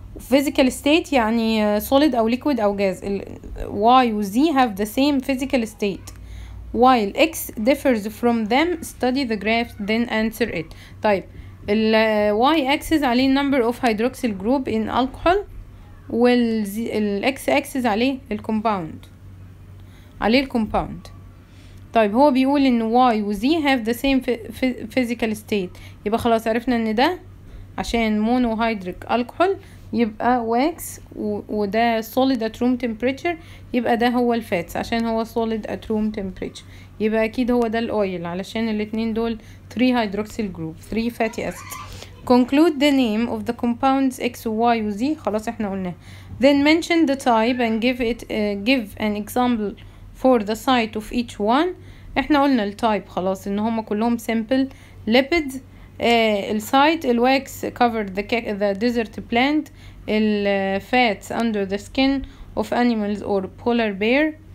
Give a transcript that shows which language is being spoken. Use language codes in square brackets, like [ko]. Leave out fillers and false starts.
[en] Physical state [ar] يعني [en] solid أو liquid أو gas. Y و Z have the same physical state while X differs from them, study the graph then answer it. [ar] طيب ال y axis عليه [en] number of hydroxyl group in alcohol، [ar] وال x axis عليه ال compound، عليه ال compound. طيب هو بيقول ان y و z [en] have the same physical state، [ar] يبقى خلاص عرفنا ان ده عشان monohydric alcohol يبقى wax، وده [en] solid at room temperature [ar] يبقى ده هو الفاتس عشان هو solid at room temperature، يبقى اكيد هو ده الاويل علشان الاثنين دول 3 hydroxyl group 3 fatty acid. [en] conclude the name of the compounds x y z، [ar] خلاص احنا قلناه. [en] then mention the type and give an example for the site of each one. [ar] احنا قلنا التايب خلاص ان هما كلهم simple lipids. السايت الواكس [en] covered the desert plant. الفاتس under the skin of animals or polar bear.